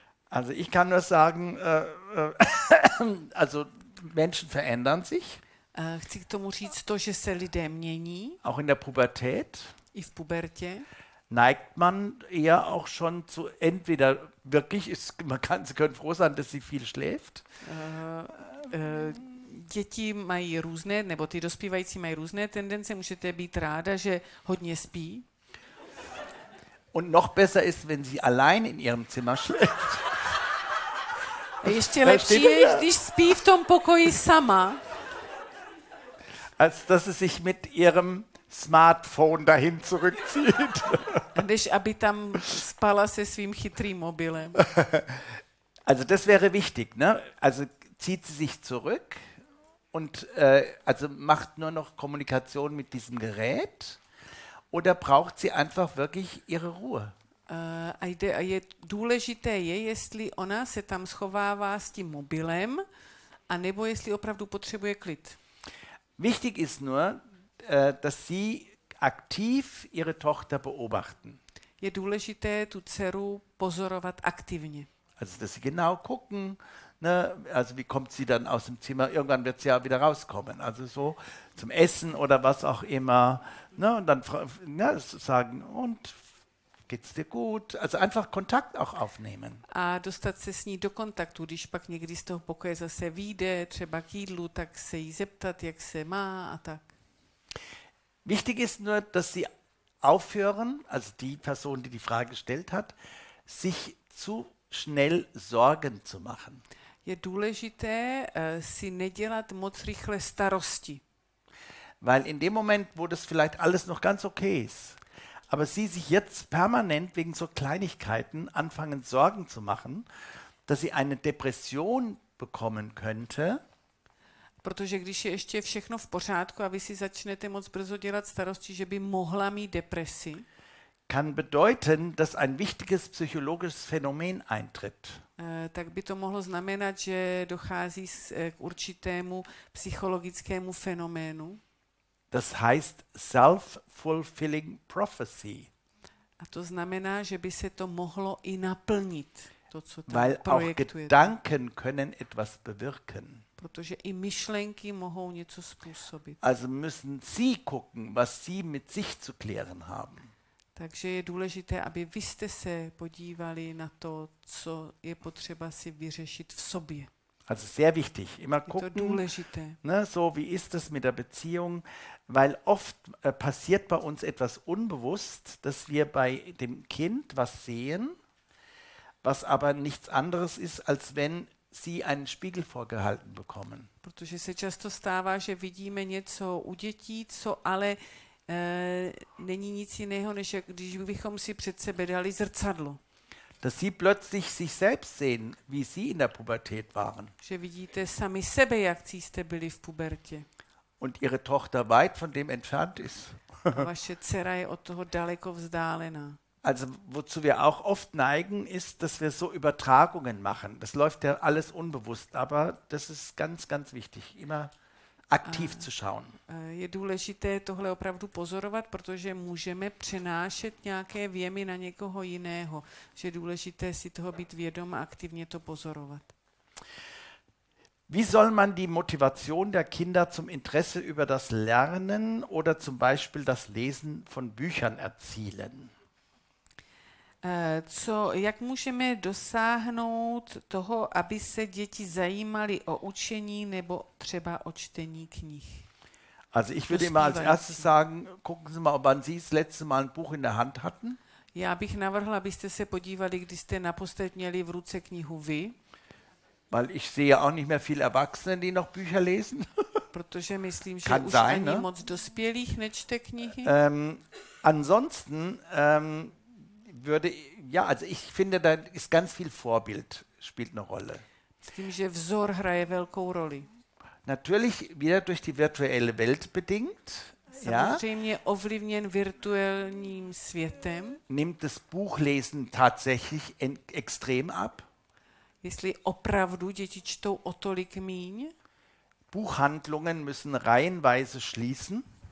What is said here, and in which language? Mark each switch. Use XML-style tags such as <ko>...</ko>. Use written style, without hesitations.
<de>Also ich kann nur sagen, also Menschen verändern sich.</de> <cs>Chci k tomu říct to, že se lidé mění.</cs> <de>Auch in der Pubertät.</de> <cs>I v pubertě.</cs> <de>Neigt man eher auch schon zu entweder wirklich, ist, man kann, sie können froh sein, dass sie viel schläft.</de> <cs>Děti mají různé, nebo ty dospívající mají různé tendence, můžete být ráda, že hodně spí.</cs> <de>Und noch besser ist, wenn sie allein in ihrem Zimmer schläft.</de> <cs>Ještě lepší je, když spí v tom pokoji sama.</cs> <de>Als dass sie sich mit ihrem Smartphone dahin zurückzieht.</de> <cs>Než aby tam spala se svým chytrým mobilem.</cs> <de>Also das wäre wichtig, ne? Also zieht sie sich zurück und also macht nur noch Kommunikation mit diesem Gerät oder braucht sie einfach wirklich ihre Ruhe?</de> <cs>A je důležité je, jestli ona se tam schovává s tím mobilem a nebo jestli opravdu potřebuje klid.</cs> <de>Wichtig ist nur, dass Sie aktiv Ihre Tochter beobachten.</de> <cs>Je důležité tu dceru pozorovat aktivně.</cs> <de>Also, dass Sie genau gucken, ne? Also, wie kommt sie dann aus dem Zimmer? Irgendwann wird sie ja wieder rauskommen. Also so zum Essen oder was auch immer. Ne? Und dann sagen, und geht's dir gut? Also einfach Kontakt auch aufnehmen.</de> <cs>A dostat se s ní do kontaktu, když pak někdy z toho pokoje zase vyjde, třeba k jídlu, tak se jí zeptat, jak se má a tak.</cs> <de>Wichtig ist nur, dass sie aufhören, also die Person, die die Frage gestellt hat, sich zu schnell Sorgen zu machen.</de> <cs>Je důležité si nedělat moc rychle starosti.</cs> <de>Weil in dem Moment, wo das vielleicht alles noch ganz okay ist, aber sie sich jetzt permanent wegen so Kleinigkeiten anfangen Sorgen zu machen, dass sie eine Depression bekommen könnte.</de> <cs>Protože když je ještě všechno v pořádku a vy si začnete moc brzo dělat starosti, že by mohla mít depresi.</cs> <de>Kann bedeuten, dass ein wichtiges psychologisches Phänomen eintritt.</de> <cs>Tak by to mohlo znamenat, že dochází k určitému psychologickému fenoménu.</cs> <de>Das heißt</de> <en>self-fulfilling prophecy.</en> <cs>A to znamená, že by se to mohlo i naplnit, to, co tam</cs> <de>weil</de> <cs>projektujete.</cs> <de>Auch Gedanken können etwas bewirken.</de> <cs>Protože i myšlenky mohou něco způsobit.</cs> <de>Also müssen Sie gucken, was Sie mit sich zu klären haben.</de> <cs>Takže je důležité, aby vy jste se podívali na to, co je potřeba si vyřešit v sobě.</cs> <de>Also sehr wichtig, immer gucken, ne, so wie ist es mit der Beziehung, weil oft passiert bei uns etwas unbewusst, dass wir bei dem Kind was sehen, was aber nichts anderes ist, als wenn sie einen Spiegel vorgehalten bekommen.</de> <cs>Protože se často stává, že vidíme něco u dětí, co ale není nic jiného, než když bychom si před sebe dali zrcadlo.</cs> <de>Dass sie plötzlich sich selbst sehen, wie sie in der Pubertät waren.</de> <cs>Že vidíte sami sebe, jak jste byli v pubertě.</cs> <de>Und ihre Tochter weit von dem entfernt ist.</de> <cs>A vaše dcera je od toho daleko vzdálená.</cs> <de>Also wozu wir auch oft neigen, ist, dass wir so Übertragungen machen. Das läuft ja alles unbewusst, aber das ist ganz, ganz wichtig, immer aktiv zu schauen.</de> <cs>Je důležité tohle opravdu pozorovat, protože můžeme přenášet nějaké věmy na někoho jiného. Je důležité si toho být vědom a aktivně to pozorovat.</cs> <de>Wie soll man die Motivation der Kinder zum Interesse über das Lernen oder zum Beispiel das Lesen von Büchern erzielen?</de> <cs>Jak můžeme dosáhnout toho, aby se děti zajímaly o učení nebo třeba o čtení knih?</cs> <de>Also ich würde immer als erstes sagen, gucken Sie mal, ob wann Sie das letzte Mal ein Buch in der Hand hatten.</de> <cs>Já bych navrhla, abyste se podívali, kdy jste naposled měli v ruce knihu vy.</cs> <de>Weil ich sehe auch nicht mehr viel Erwachsene, die noch Bücher lesen.</de> <cs>Protože myslím, že</cs> <de>kann</de> <cs>už sein, ani ne? Moc dospělých nečte knihy.</cs> <de>Ansonsten würde ja, also ich finde, da ist ganz viel Vorbild spielt eine Rolle.</de> <cs>S tím, že vzor hraje velkou roli.</cs> <de>Natürlich wieder durch die virtuelle Welt bedingt.</de> <cs>Samozřejmě</cs> <de>ja.</de> <cs>Ovlivněn virtuálním světem.</cs> <de>Nimmt das Buchlesen tatsächlich extrem ab?</de> <cs>Jestli opravdu děti čtou o tolik míň?</cs> <de>Buchhandlungen müssen reihenweise schließen.</de>